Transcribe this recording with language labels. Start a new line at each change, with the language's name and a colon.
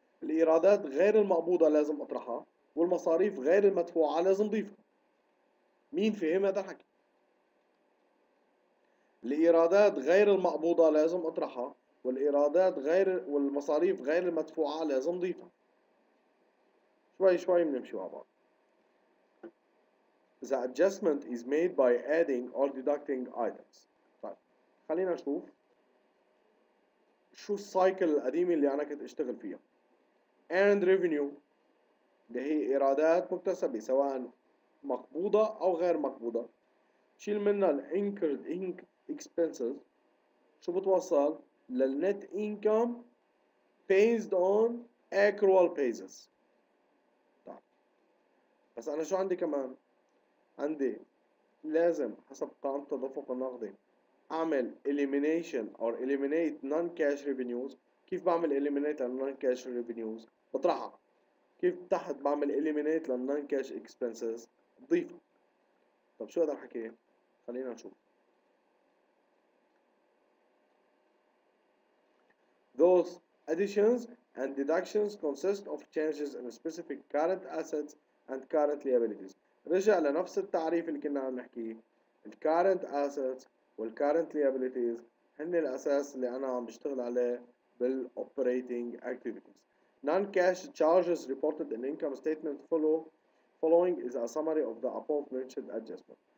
Arabic: الإيرادات غير المقبوضة لازم أطرحها، والمصاريف غير المدفوعة لازم ضيفها. مين فهم هذا الحكي؟ الإيرادات غير المقبوضة لازم أطرحها، والإيرادات غير والمصاريف غير المدفوعة لازم ضيفها. شوي شوي بنمشي مع بعض.
English: The adjustment is made by adding or deducting items.
Arabic: خلينا نشوف شو السايكل القديم اللي أنا كنت أشتغل فيها. Earned revenue اللي هي إيرادات مكتسبة سواء مقبوضة أو غير مقبوضة. شيل منها الـ incurred expenses، شو بتوصل؟ للـ
English: net income based on accrual basis.
Arabic: طيب بس أنا شو عندي كمان؟ عندي لازم حسب قانون التدفق النقدي أعمل
English: elimination or eliminate non-cash revenues.
Arabic: كيف بعمل eliminate لل non-cash revenues؟ بطرحها. كيف تحت بعمل eliminate لل non-cash expenses؟ ضيفها. طب شو هذا الحكي؟ خلينا نشوف.
English: Those additions and deductions consist of changes in specific current assets and current liabilities.
Arabic: رجع لنفس التعريف اللي كنا عم نحكيه.
English: The current assets
Arabic: والcurrent liabilities هن الأساس اللي أنا عم بشتغل عليه بالoperating activities.
English: Non-cash charges reported in income statement following is a summary of the above mentioned adjustment.